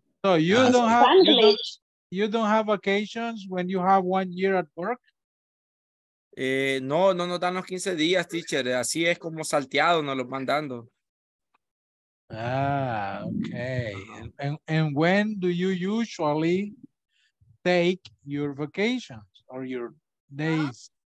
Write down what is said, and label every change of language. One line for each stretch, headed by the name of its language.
English: So you don't have vacations when you have 1 year at work?
Spanish: No nos dan los 15 días, teacher. Así es como salteado, nos lo van dando.
English: Okay. And when do you usually take your vacations or your days?